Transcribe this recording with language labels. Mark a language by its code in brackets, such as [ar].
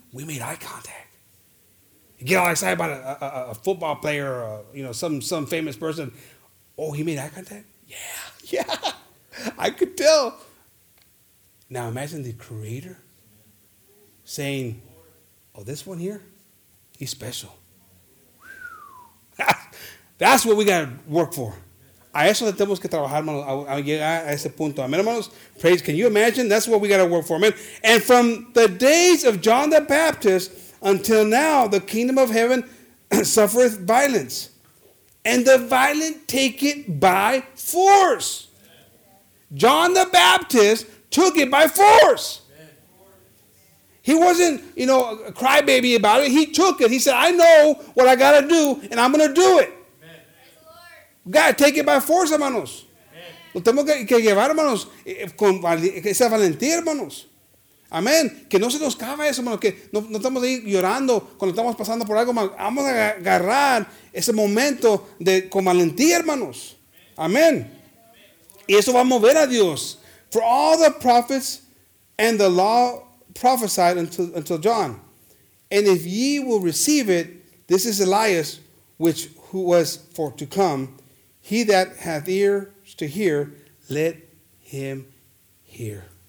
[en] We made eye contact. You get all excited about a football player or, you know, some famous person. Oh, he made eye contact? Yeah. I could tell. Now imagine the creator saying, oh, this one here, he's special. That's what we got to work for. [es] A eso tenemos que trabajar, hermanos, a llegar a ese punto. [en] Amen, hermanos. Praise. Can you imagine? That's what we got to work for. Amen. And from the days of John the Baptist until now, the kingdom of heaven suffereth violence. And the violent take it by force. John the Baptist took it by force. He wasn't, you know, a crybaby about it. He took it. He said, I know what I got to do, and I'm going to do it. God, take it by force, hermanos. [es] Lo tenemos que llevar, hermanos, con esa valentía, hermanos. Amén. Que no se nos caiga eso, hermanos. Que no estamos ahí llorando cuando estamos pasando por algo. Vamos a agarrar ese momento con valentía, hermanos. Amén. Y eso va a mover a Dios. [en] For all the prophets and the law prophesied until John. And if ye will receive it, this is Elias, who was for to come. He that hath ears to hear, let him hear.